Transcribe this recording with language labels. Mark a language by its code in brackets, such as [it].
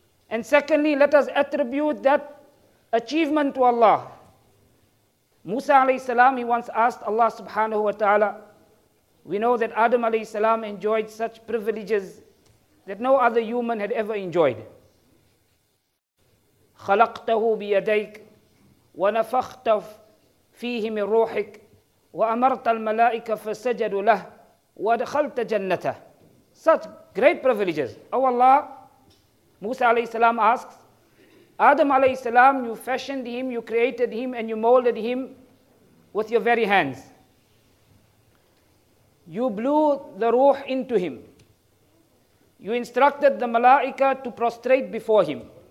[en] And secondly, let us attribute that achievement to Allah. Musa alayhi salam, he once asked Allah subhanahu wa ta'ala, we know that Adam alayhi salam enjoyed such privileges that no other human had ever enjoyed. [ar] خَلَقْتَهُ بِيَدَيْكَ وَنَفَخْتَ فِيهِ مِنْ رُوحِكَ وَأَمَرْتَ الْمَلَائِكَ فَسَجَدُوا لَهُ وَدَخَلْتَ جَنَّتَهُ. [en] Such great privileges. Oh Allah, Musa alayhi salam asks, Adam alayhi salam, you fashioned him, you created him, and you molded him with your very hands. You blew the ruh into him. You instructed the malaika to prostrate before him.